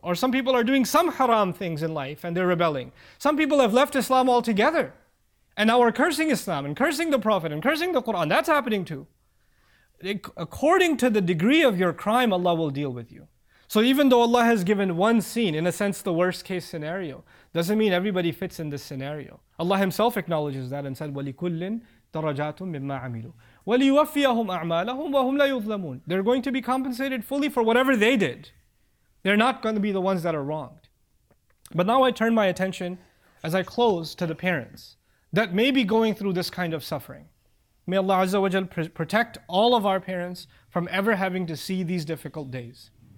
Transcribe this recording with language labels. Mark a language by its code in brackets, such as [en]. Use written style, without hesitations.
[en] Or some people are doing some haram things in life and they're rebelling. Some people have left Islam altogether. And now are cursing Islam and cursing the Prophet and cursing the Quran. That's happening too. According to the degree of your crime, Allah will deal with you. So even though Allah has given one scene, in a sense the worst case scenario, doesn't mean everybody fits in this scenario. Allah Himself acknowledges that and said, [ar] وَلِكُلِّن دَرَجَاتٌ مِمَّا عَمِلُوا وَلِيُوَفِّيَهُمْ أَعْمَالَهُمْ وَهُمْ لَيُظْلَمُونَ. [en] They're going to be compensated fully for whatever they did. They're not going to be the ones that are wronged. But now I turn my attention, as I close, to the parents that may be going through this kind of suffering. May Allah Azza wa Jal protect all of our parents from ever having to see these difficult days.